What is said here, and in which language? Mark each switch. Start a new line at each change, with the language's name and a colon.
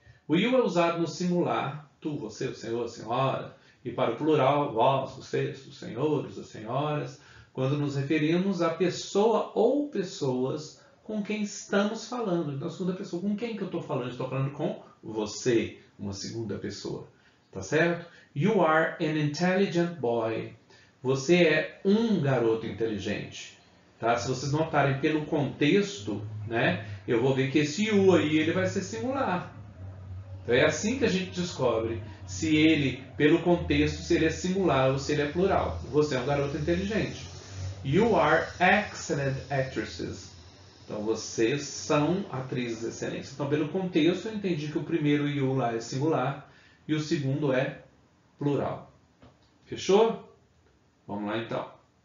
Portuguese: Will é usado no singular, tu, você, o senhor, a senhora, e para o plural, vós, vocês, os senhores, as senhoras, quando nos referimos à pessoa ou pessoas com quem estamos falando. Então, segunda pessoa, com quem que eu estou falando? Estou falando com você, uma segunda pessoa, tá certo?
English: You are an intelligent boy.
Portuguese: Você é um garoto inteligente. Tá? Se vocês notarem pelo contexto, né, eu vou ver que esse you aí ele vai ser singular. Então é assim que a gente descobre se ele, pelo contexto, se ele é singular ou se ele é plural. Você é um garoto inteligente.
English: You are excellent actresses.
Portuguese: Então vocês são atrizes excelentes. Então pelo contexto eu entendi que o primeiro you lá é singular e o segundo é plural. Fechou? Vamos lá então.